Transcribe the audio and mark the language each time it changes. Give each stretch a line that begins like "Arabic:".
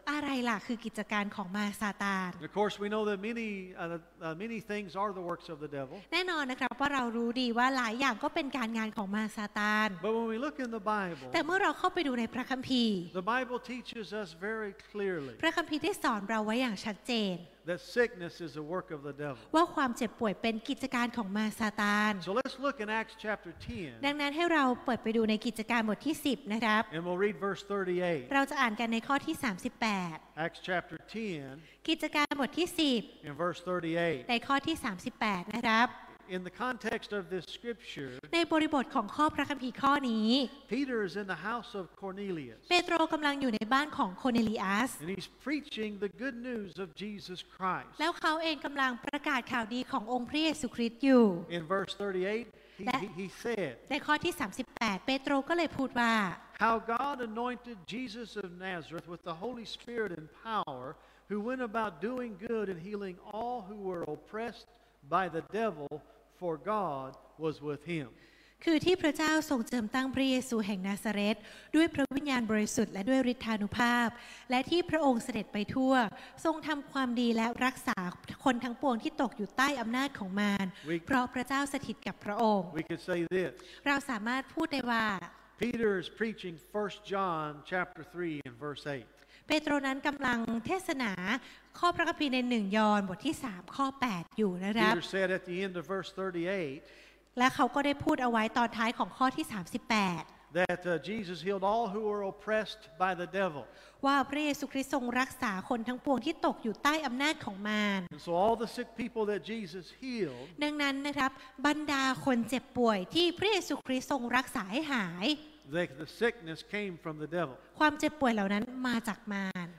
Thai: อะไรล่ะคือกิจการของมารซาตาน
English: Of course, we know that many things are the works of the devil.
Thai: แน่นอนนะครับว่าเรารู้ดีว่าหลายอย่างก็เป็นการงานของมารซาตาน
English: But when we look in the Bible,
Thai: แต่เมื่อเราเข้าไปดูในพระคัมภีร์
English: The Bible teaches us very clearly.
Thai: พระคัมภีร์ได้สอนเราไว้อย่างชัดเจน
English: That sickness is a work of the devil.
Thai: ว่าความเจ็บป่วยเป็นกิจการของมารซาตาน
English: So let's look in Acts chapter 10.
Thai: ดังนั้นให้เราเปิดไปดูในกิจการบทที่10นะครับ
English: And we'll read verse 38.
Thai: เราจะอ่านกันในข้อที่38.
English: Acts chapter 10.
Thai: กิจการบทที่10.
English: In verse 38.
Thai: ในข้อที่38นะครับ
English: In the context of this scripture.
Thai: ในบริบทของข้อพระคัมภีร์ข้อนี้
English: Peter is in the house of Cornelius.
Thai: เปโตรกำลังอยู่ในบ้านของโคเนลิอัส
English: And he's preaching the good news of Jesus Christ.
Thai: แล้วเขาเองกำลังประกาศข่าวดีขององค์พระเยซูคริสต์อยู่
English: In verse 38 he said.
Thai: ในข้อที่38เปโตรก็เลยพูดว่า
English: How God anointed Jesus of Nazareth with the Holy Spirit and power, who went about doing good and healing all who were oppressed by the devil. For God was with him.
Thai: คือที่พระเจ้าทรงเจิมตั้งพระเยซูแห่งนาซาเร็ธด้วยพระวิญญาณบริสุทธิ์และด้วยฤทธานุภาพและที่พระองค์เสด็จไปทั่วทรงทำความดีและรักษาคนทั้งปวงที่ตกอยู่ใต้อำนาจของมารเพราะพระเจ้าสถิตกับพระองค์
English: We could say this.
Thai: เราสามารถพูดได้ว่า
English: Peter is preaching 1 John chapter 3 and verse 8.
Thai: เปโตรนั้นกำลังเทศนาข้อพระคัมภีร์ใน1ยอห์นบทที่3ข้อ8อยู่นะครับ
English: Peter said at the end of verse 38
Thai: และเขาก็ได้พูดเอาไว้ตอนท้ายของข้อที่38
English: that Jesus healed all who were oppressed by the devil
Thai: ว่าพระเยซูคริสต์ทรงรักษาคนทั้งปวงที่ตกอยู่ใต้อำนาจของมาร
English: so all the sick people that Jesus healed
Thai: ดังนั้นนะครับบรรดาคนเจ็บป่วยที่พระเยซูคริสต์ทรงรักษาให้หาย
English: The sickness came from the devil.
Thai: ความเจ็บป่วยเหล่านั้นมาจากมาร